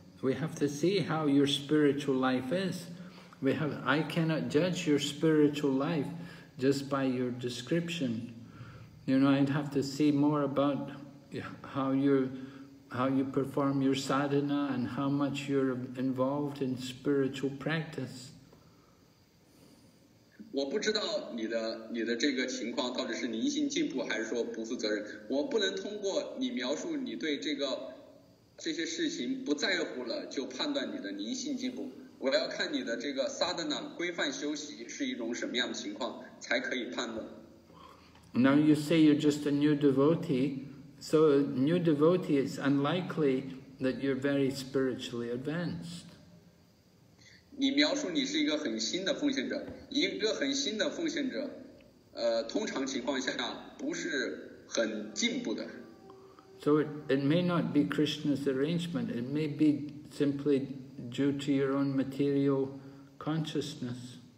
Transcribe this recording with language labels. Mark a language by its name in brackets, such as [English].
[English] We have to see how your spiritual life is. I cannot judge your spiritual life just by your description. You know, I'd have to see more about how you perform your sadhana and how much you're involved in spiritual practice. [Chinese] 我不知道你的这个情况到底是灵性进步还是说不负责任。我不能通过你描述你对这些事情不在乎了就判断你的灵性进步。我要看你的这个 sadhana 规范修习是一种什么样的情况才可以判断。 [English] Now you say you're just a new devotee. So, a new devotee, it's unlikely that you're very spiritually advanced. [Chinese] 你描述你是一个很新的奉献者，一个很新的奉献者，通常情况下不是很进步的。 [English] So, it may not be Krishna's arrangement, it may be simply due to your own material consciousness.